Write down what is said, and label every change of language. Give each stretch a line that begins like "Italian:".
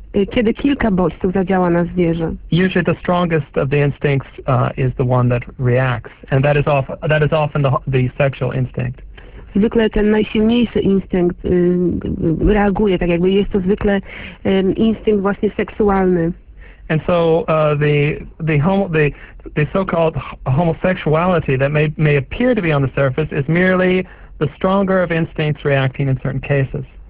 Polish: Kiedy kilka bodźców zadziała na zwierzę.
English: Usually the strongest of the instincts is the one that reacts, and that is often the sexual instinct.
Polish: Zwykle ten najsilniejszy instynkt reaguje, tak jakby jest to zwykle instynkt właśnie seksualny.
English: And so the so-called homosexuality that may appear to be on the surface is merely the stronger of instincts reacting in certain cases.